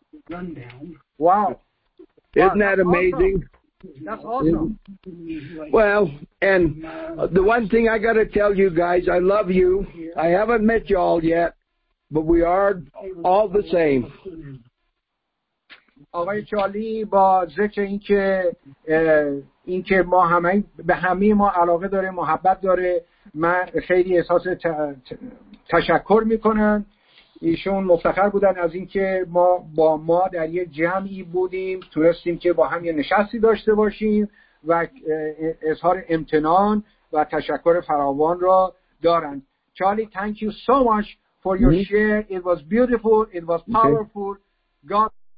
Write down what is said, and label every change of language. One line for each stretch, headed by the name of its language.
English: Rundown. Wow. Isn't that amazing? Awesome. That's awesome. Well, and the one thing I got to tell you guys, I love you. I haven't met y'all yet, but we are all the same.
Persian: آقای چالی، با ذکر اینکه ما همه به همه ما علاقه داره، محبت داره، من خیلی احساس تشکر میکنم. ایشون مفتخر بودن از اینکه ما در یه جمعی بودیم، تونستیم که با هم یه نشستی داشته باشیم و اظهار امتنان و تشکر فراوان را دارن.
English: Charlie, thank you so much for your share. It was beautiful. It was powerful. God.